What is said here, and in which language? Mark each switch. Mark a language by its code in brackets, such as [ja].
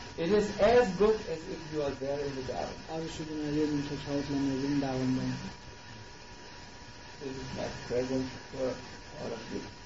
[en] it is as good as if you are there in Vrindavan. [hu] Az is ugyanaz, mint hogyha ott lenne Vrindavanban. [en] This is my present for all of you.